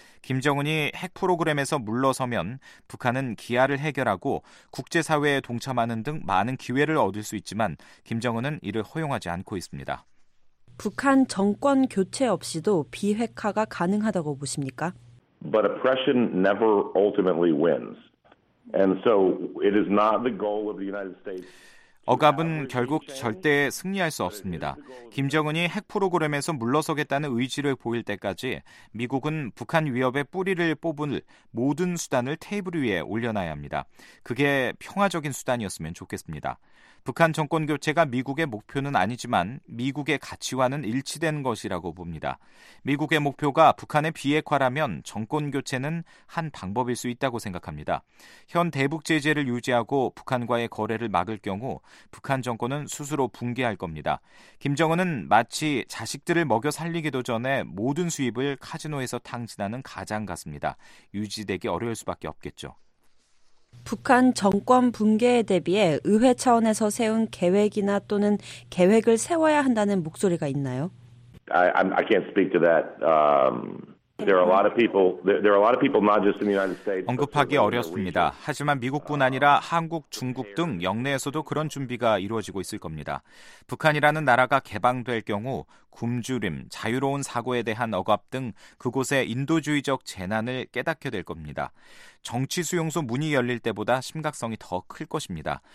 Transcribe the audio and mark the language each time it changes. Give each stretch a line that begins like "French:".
Korean: 김정은이 핵 프로그램에서 물러서면 북한은 기아를 해결하고 국제사회에 동참하는 등 많은 기회를 얻을 수 있지만 김정은은 이를 허용하지 않고 있습니다. 북한 정권 교체 없이도 비핵화가 가능하다고 보십니까?
English: But oppression never ultimately wins. And so it is not the goal of the United States.
Korean: 억압은 결국 절대 승리할 수 없습니다. 김정은이 핵 프로그램에서 물러서겠다는 의지를 보일 때까지 미국은 북한 위협의 뿌리를 뽑을 모든 수단을 테이블 위에 올려놔야 합니다. 그게 평화적인 수단이었으면 좋겠습니다. 북한 정권 교체가 미국의 목표는 아니지만 미국의 가치와는 일치된 것이라고 봅니다. 미국의 목표가 북한의 비핵화라면 정권 교체는 한 방법일 수 있다고 생각합니다. 현 대북 제재를 유지하고 북한과의 거래를 막을 경우 북한 정권은 스스로 붕괴할 겁니다. 김정은은 마치 자식들을 먹여 살리기도 전에 모든 수입을 카지노에서 탕진하는 가장 같습니다. 유지되기 어려울 수밖에 없겠죠. 북한 정권 붕괴에 대비해 의회 차원에서 세운 계획이나 또는 계획을 세워야 한다는 목소리가 있나요?
English: I can't speak to that. There are a lot of people not just in the United States.
Korean: 언급하기 어렵습니다. 하지만 미국뿐 아니라 한국, 중국 등 영내에서도 그런 준비가 이루어지고 있을 겁니다. 북한이라는 나라가 개방될 경우 굶주림, 자유로운 사고에 대한 억압 등 그곳의 인도주의적 재난을 깨닫게 될 겁니다. 정치 수용소 문이 열릴 때보다 심각성이 더 클 것입니다.